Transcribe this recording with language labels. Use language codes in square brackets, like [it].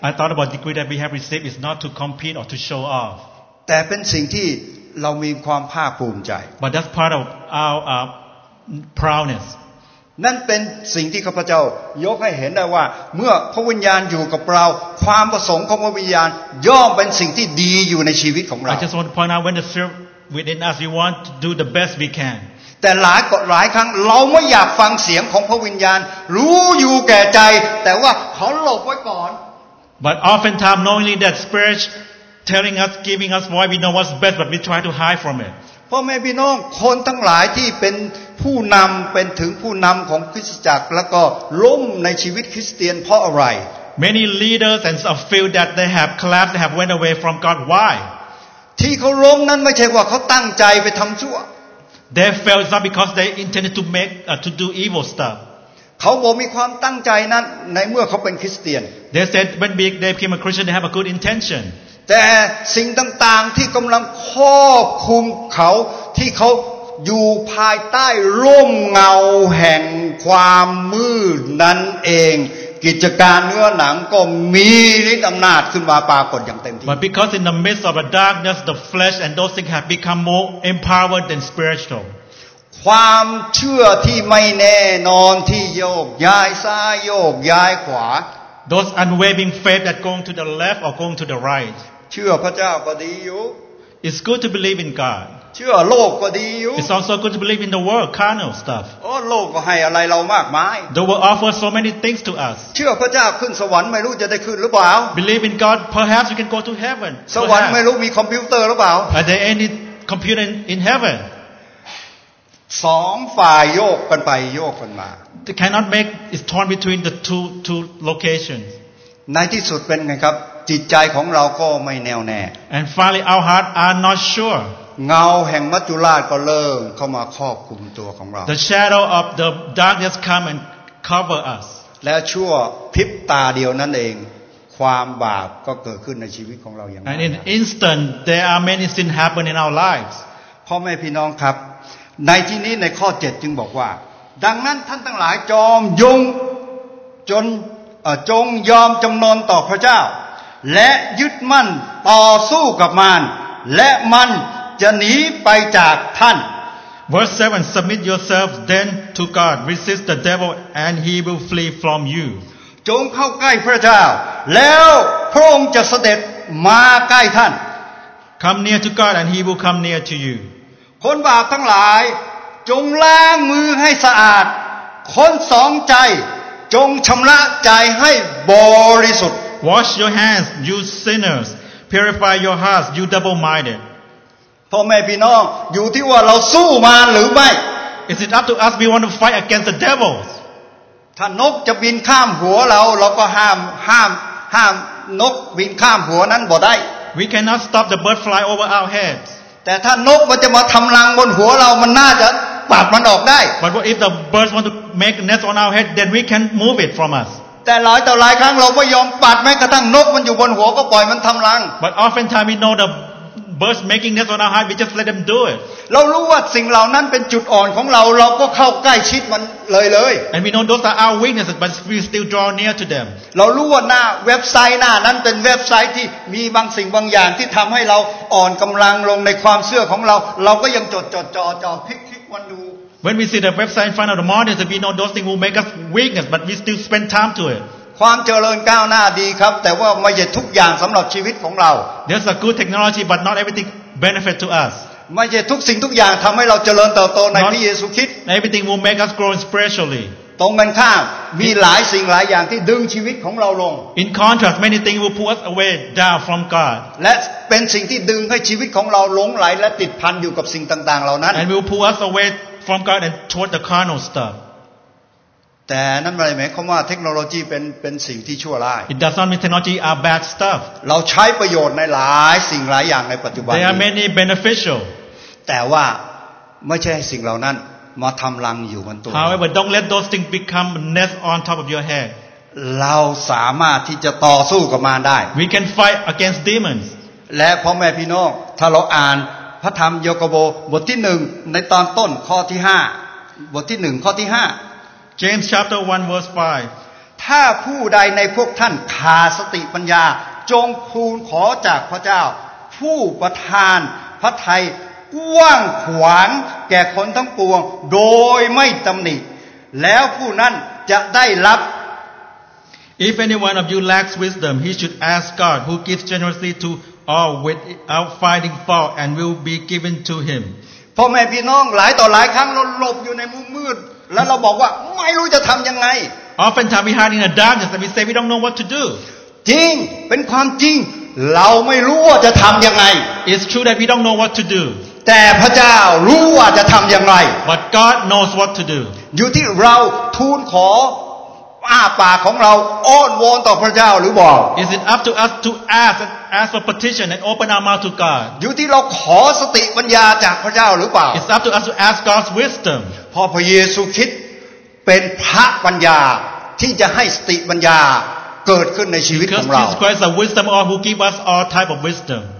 [en] I thought about degree that we have received is not to compete or to show off. [th] แต่เป็นสิ่งที่เรามีความภาคภูมิใจ [en] But that's part of our proudness [th] นั่นเป็นสิ่งที่ข้าพเจ้ายกให้เห็นได้ว่าเมื่อพระวิญญาณอยู่กับเราความประสงค์ของพระวิญญาณย่อมเป็นสิ่งที่ดีอยู่ในชีวิตของเรา [en] I just want to point out when the spirit within us we want to do the best we can [th] แต่หลายครั้งเราไม่อยากฟังเสียงของพระวิญญาณรู้อยู่แก่ใจแต่ว่าขอหลบไว้ก่อน [en] But often time knowingly that spirit telling us giving us why we know what's best but we try to hide from it [th] พ่อแม่พี่น้องคนทั้งหลายที่เป็นผู้นำเป็นถึงผู้นำของคริสตจักรแล้วก็ล้มในชีวิตคริสเตียนเพราะอะไร [en] Many leaders and some feel that they have collapsed they have went away from God why [th] ที่เขาล้มนั้นไม่ใช่ว่าเขาตั้งใจไปทำชั่ว [en] They failed not because they intended to do evil stuff [th] เขาบอกมีความตั้งใจนั้นในเมื่อเขาเป็นคริสเตียน [en] They said when they became a Christian they have a good intention [th] แต่สิ่งต่างๆที่กำลังครอบคลุมเขาที่เขาอยู่ภายใต้ร่มเงาแห่งความมืดนั่นเองกิจการเนื้อหนังก็มีฤทธิ์อำนาจขึ้นมาปรากฏอย่างเต็มที่ [en] But because in the midst of the darkness the flesh and those things have become more empowered than spiritual [th] ความเชื่อที่ไม่แน่นอนที่โยกย้ายซ้ายโยกย้ายขวา [en] Those unwavering faith that going to the left or going to the right. [th] เชื่อพระเจ้าก็ดีอยู่ [en] It's good to believe in God. [th] เชื่อโลกก็ดีอยู่ [en] It's also good to believe in the world, carnal stuff. [th] โลกก็ให้อะไรเรามากมาย [en] The world offers so many things to us. [th] เชื่อพระเจ้าขึ้นสวรรค์ไม่รู้จะได้ขึ้นหรือเปล่า [en] Believe in God, perhaps you can go to heaven. [th] สวรรค์ไม่รู้มีคอมพิวเตอร์หรือเปล่า [en] Are there any computer in heaven? [th] สองฝ่ายโยกกันไปโยกกันมา [en] They cannot make it torn between the two locations. [th] ในที่สุดเป็นไงครับจิตใจของเราก็ไม่แน่วแน่ [en] And finally, our hearts are not sure. [th] เงาแห่งมัจจุราชก็เริ่มเข้ามาครอบคลุมตัวของเรา [en] The shadow of the darkness come and cover us. [th] และชั่วพริบตาเดียวนั่นเองความบาปก็เกิดขึ้นในชีวิตของเราอย่างนั้น [en] And in an instant, there are many sins happen in our lives. [th] พ่อแม่พี่น้องครับในที่นี้ในข้อ7จึงบอกว่าดังนั้นท่านทั้งหลายจอมยงจนจงยอมจำนนต่อพระเจ้าและยึดมั่นต่อสู้กับมารและมันจะหนีไปจากท่าน [en] Verse 7 Submit yourself then to God resist the devil and he will flee from you [th] จงเข้าใกล้พระเจ้าแล้วพระองค์จะเสด็จมาใกล้ท่าน [en] Come near to God and he will come near to you [th] คนบาปทั้งหลายจงล้างมือให้สะอาดคนสองใจจงชำระใจให้บริสุทธิ์ [en] Wash your hands, you sinners. Purify your hearts, you double-minded. [th] พ่อแม่พี่น้องอยู่ที่ว่าเราสู้มารหรือไม่ [en] Is it up to us we want to fight against the devils? [th] ถ้านกจะบินข้ามหัวเราก็ห้ามนกบินข้ามหัวนั้นบ่ได้ [en] We cannot stop the bird fly over our heads. [th] แต่ถ้านกมันจะมาทำรังบนหัวเรามันน่าจะปัดมันออกได้ [en] But if the birds want to make a nest on our head, then we can move it from us. [th] แต่หลายต่อหลายครั้งเราไม่ยอมปัดแม้กระทั่งนกมันอยู่บนหัวก็ปล่อยมันทำรัง [en] But often time we know the birds making nest on our head we just let them do it [th] เรารู้ว่าสิ่งเหล่านั้นเป็นจุดอ่อนของเราเราก็เข้าใกล้ชิดมันเลย [en] And we know those are our weaknesses but we still draw near to them [th] เรารู้ว่าหน้าเว็บไซต์หน้านั้นเป็นเว็บไซต์ที่มีบางสิ่งบางอย่างที่ทำให้เราอ่อนกำลังลงในความเชื่อของเราเราก็ยังจดคลิกวันดู [en] When we see the website in front of the monitor, we know those things will make us weakness, but we still spend time to it. [th] ความเจริญก้าวหน้าดีครับแต่ว่าไม่ใช่ทุกอย่างสำหรับชีวิตของเรา [en] There's a good technology, but not everything benefit to us. [th] ไม่ใช่ทุกสิ่งทุกอย่างทำให้เราเจริญเติบโตในพระเยซูคริสต์ [en] Everything will make us grow spiritually. [th] ตรงกันข้ามมีหลายสิ่งหลายอย่างที่ดึงชีวิตของเราลง [en] In contrast, many things will pull us away down from God. Let's [th] เป็นสิ่งที่ดึงให้ชีวิตของเราหลงไหลและติดพันอยู่กับสิ่งต่างๆเหล่านั้น [en] And will pull us away from God and toward the carnal stuff [th] แต่นั่นหมายความว่าเทคโนโลยีเป็นสิ่งที่ชั่วร้าย [en] It does not mean technology are bad stuff [th] เราใช้ประโยชน์ในหลายสิ่งหลายอย่างในปัจจุบัน [en] There are many beneficial [th] แต่ว่าไม่ใช่สิ่งเหล่านั้นมาทำรังอยู่บนตัว [en] However don't let those things become nest on top of your head [th] เราสามารถที่จะต่อสู้กับมารได้ [en] We can fight against demons [th] และพ่อแม่พี่น้องถ้าเราอ่านพระธรรมโยโคโบบทที่1ในตอนต้นข้อที่5บทที่1ข้อที่5 [en] James chapter 1 verse 5 [th] ถ้าผู้ใดในพวกท่านขาดสติปัญญาจงทูลขอจากพระเจ้าผู้ประทานพระทัยกว้างขวางแก่คนทั้งปวงโดยไม่ตำหนิแล้วผู้นั้นจะได้รับ [en] If anyone of you lacks wisdom he should ask God who gives generously toAll without finding fault, and will be given to him. [th] พ่อแม่พี่น้องหลายต่อหลายครั้งเราหลบอยู่ในมุมมืดแล้วเราบอกว่าไม่รู้จะทำยังไง [en] Often time we hide in the darkness, and we say we don't know what to do. [th] จริงเป็นความจริงเราไม่รู้ว่าจะทำยังไง [en] It's true that we don't know what to do. [th] แต่พระเจ้ารู้ว่าจะทำยังไง [en] But God knows what to do. [th] อยู่ที่เราทูลขออ้าปากของเราอ้อนวอนต่อพระเจ้าหรือบอก [en] Is it up to us to ask for petition and open our mouth to God [th] อยู่ที่เราขอสติปัญญาจากพระเจ้าหรือเปล่า [en] It's up to us to ask God's wisdom [th] พอพระเยซูคริสต์เป็นพระปัญญาที่จะให้สติปัญญาเกิดขึ้นในชีวิตของเรา [en] Because Jesus Christ is the wisdom of all who give us all type of wisdom